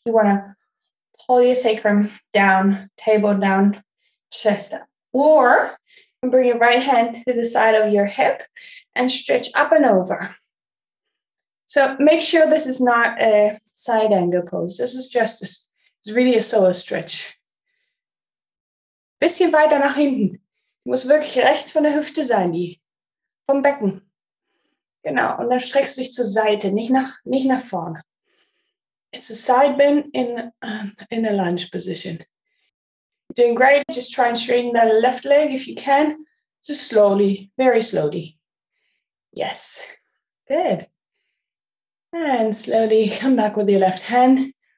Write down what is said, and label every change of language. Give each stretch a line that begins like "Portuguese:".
English: You want to pull your sacrum down, table down, chest up. Or bring your right hand to the side of your hip and stretch up and over. So make sure this is not a side angle pose. This is just, it's really a psoas stretch.
German: Bisschen weiter nach hinten. Muss wirklich rechts von der Hüfte sein, die vom Becken. Genau, und dann streckst du dich zur Seite, nicht nach vorne.
English: It's a side bend in a lunge position. You're doing great, just try and straighten the left leg if you can. Just slowly, very slowly. Yes, good. And slowly come back with your left hand.